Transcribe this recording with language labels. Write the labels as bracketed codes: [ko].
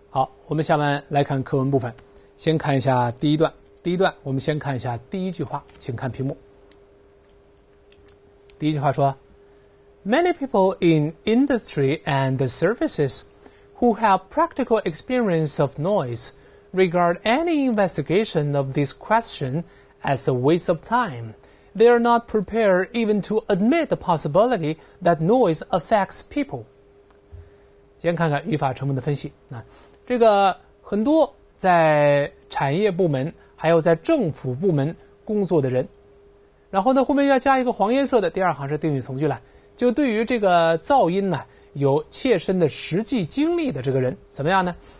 [zh] 好，我们下面来看课文部分，先看一下第一段。第一段，我们先看一下第一句话，请看屏幕。第一句话说 [en] ：“Many people in industry and services who have practical experience of noise regard any investigation of this question as a waste of time. They are not prepared even to admit the possibility that noise affects people.” [zh] 先看看语法成分的分析。那这个很多在产业部门还有在政府部门工作的人，然后呢后面要加一个黄颜色的第二行是定语从句了，就对于这个噪音呢有切身的实际经历的这个人怎么样呢？